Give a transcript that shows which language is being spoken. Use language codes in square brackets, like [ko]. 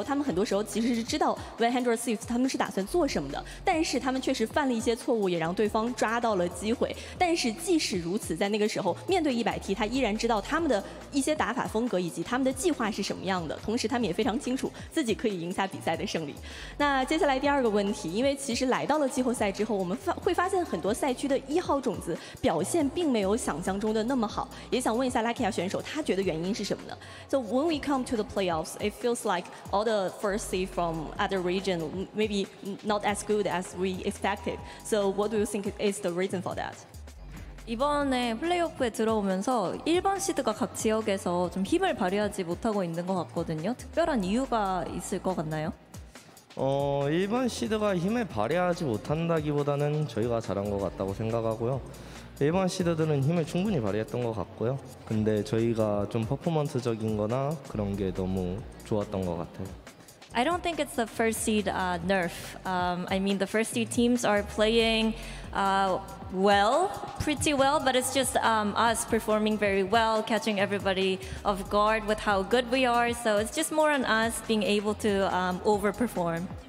[zh] 他说在那个时候其实在这种情况下他们最注意的最需要做到的就是保持好他们积极的沟通每一分的沟通其实在那个时候他们很多时候其实是知道 100 Thieves 他们是打算做什么的但是他们确实犯了一些错误也让对方抓到了机会但是即使如此在那个时候面对 100T 他依然知道他们的一些打法风格以及他们的计划是什么样的同时他们也非常清楚自己可以赢下比赛的胜利那接下来第二个问题因为其实来到了季后赛之后我们会发现很多赛区的一号种子 表现并没有想象中的那么好，也想问一下Lakia选手，他觉得原因是什么呢？ [en] So when we come to the playoffs, it feels like all the first seed from other region maybe not as good as we expected. So what do you think is the reason for that? [ko] 이번에 플레이오프에 들어오면서 1번 시드가 각 지역에서 좀 힘을 발휘하지 못하고 있는 것 같거든요. 특별한 이유가 있을 것 같나요? 1번 시드가 힘을 발휘하지 못한다기보다는 저희가 잘한 것 같다고 생각하고요. 1번 시드들은 힘을 충분히 발휘했던 것 같고요. 근데 저희가 좀 퍼포먼스적인 거나 그런 게 너무 좋았던 것 같아요. [en] I don't think it's the first seed nerf. I mean, the first seed teams are playing well, pretty well, but it's just us performing very well, catching everybody off guard with how good we are. So it's just more on us being able to overperform.